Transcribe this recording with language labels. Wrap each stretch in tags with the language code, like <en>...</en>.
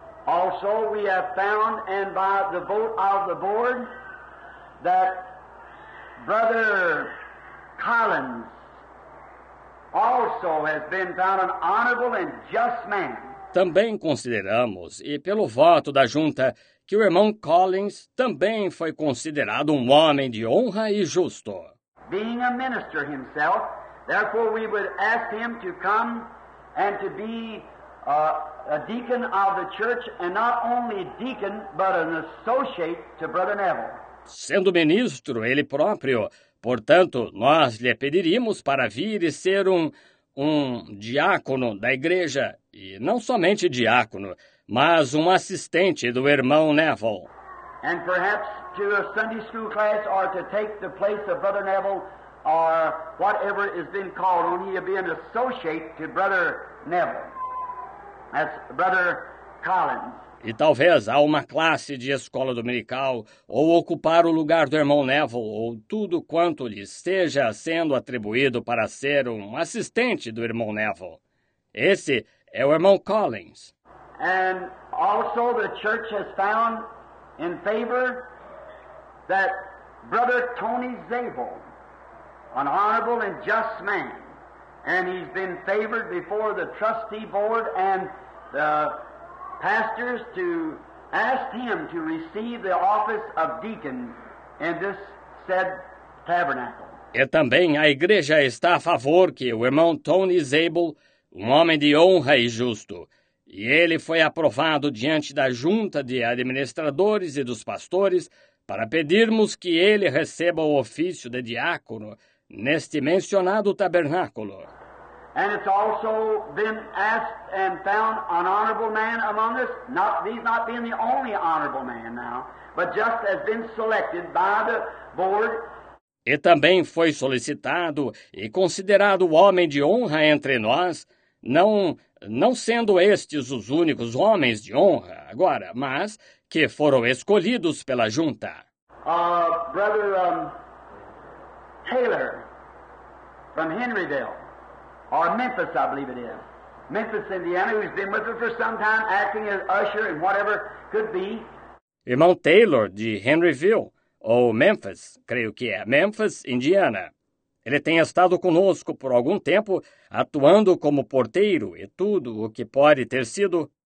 <en>Also, we have found, and by the vote of the board, that Brother Collins also has been found an honorable and just man.</en> <pt>Também consideramos, e pelo voto da junta, que o irmão Collins também foi considerado um homem de honra e justo.</pt> <en>Being a minister himself, therefore we would ask him to come and to be a deacon of the church, and not only deacon, but an associate to Brother Neville.</en> <pt>Sendo ministro ele próprio, portanto, nós lhe pediríamos para vir e ser um diácono da igreja, e não somente diácono, mas um assistente do irmão Neville.</pt> <en>And perhaps to a Sunday school class, or to take the place of Brother Neville, or whatever is then called, only to be an associate to Brother Neville. That's Brother Collins.</en> <pt>E talvez a uma classe de escola dominical, ou ocupar o lugar do irmão Neville, ou tudo quanto lhe esteja sendo atribuído para ser um assistente do irmão Neville. Esse é o irmão Collins.</pt> <en>And also the church has found in favor that Brother Tony Zabel, an honorable and just man, and he's been favored before the trustee board and the pastors to ask him to receive the office of deacon in this said tabernacle.</en> <pt>E também a igreja está a favor que o irmão Tony Zabel, um homem de honra e justo, e ele foi aprovado diante da junta de administradores e dos pastores para pedirmos que ele receba o ofício de diácono neste mencionado tabernáculo.</pt> <en>And it's also been asked and found an honorable man among us, not being the only honorable man now, but just has been selected by the board.</en> <pt>E também foi solicitado e considerado homem de honra entre nós, não sendo estes os únicos homens de honra agora, mas que foram escolhidos pela junta.</pt> <en>Brother Taylor, from Henryville, or Memphis, I believe it is. Memphis, Indiana, who's been with us for some time, acting as usher and whatever could be.</en> <pt>Irmão Taylor, de Henryville, ou Memphis, creio que é Memphis, Indiana. Ele tem estado conosco por algum tempo, atuando como porteiro e tudo o que pode ter sido.</pt>